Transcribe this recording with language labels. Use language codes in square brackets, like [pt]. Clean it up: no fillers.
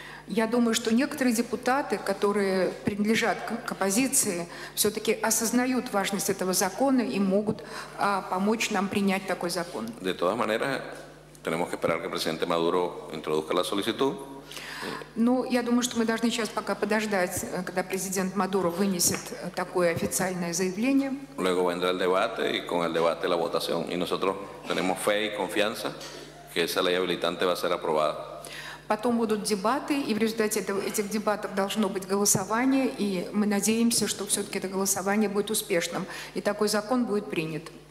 [ru] Я думаю, что некоторые депутаты, которые принадлежат к оппозиции, все-таки осознают важность этого закона и могут помочь нам принять такой закон. [es] De todas maneras, tenemos que esperar que el presidente Maduro introduzca la solicitud. [ru] Ну, я думаю, что мы должны сейчас пока подождать, когда президент Мадуро вынесет такое официальное заявление. [es] Luego vendrá el debate y con el debate la votación. Y nosotros tenemos fe y confianza que esa ley habilitante va a ser aprobada. [ru] Потом будут дебаты, и в результате этих дебатов должно быть голосование, и мы надеемся, что все-таки это голосование будет успешным, и такой закон будет принят.